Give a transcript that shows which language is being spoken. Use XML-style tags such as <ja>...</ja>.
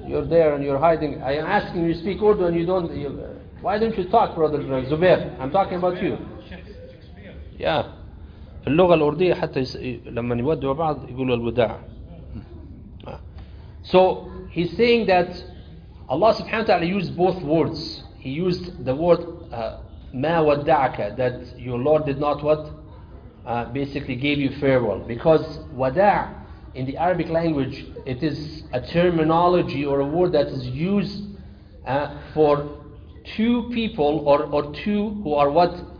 <en>You're there and you're hiding. I am asking you speak Urdu and you don't. Why don't you talk, brother Zubair? I'm talking about you. Yeah.</en> <ar>في اللغة الأردية حتى لما يودوا بعض يقولوا الوداع.</ar> <en>So he's saying that Allah subhanahu wa ta'ala used both words. He used the word</en> <ar>ما ودعك,</ar> <en>that your Lord did not what? Basically gave you farewell. Because وداع in the Arabic language, it is a terminology or a word that is used for two people or two who are what?</en>